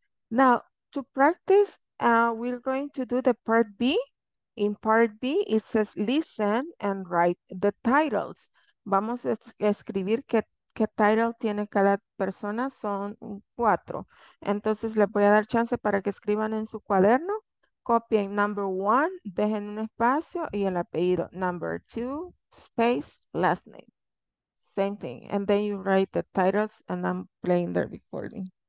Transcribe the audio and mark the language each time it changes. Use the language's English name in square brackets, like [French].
[English] Now, to practice, we're going to do the part B. In part B, it says listen and write the titles. [Spanish] Vamos a escribir qué title tiene cada persona. Son cuatro. Entonces, les voy a dar chance para que escriban en su cuaderno. Copien [English] number one, [Spanish] dejen un espacio y el apellido. [English] Number two, space, last name. Same thing. And then you write the titles and I'm playing the recording.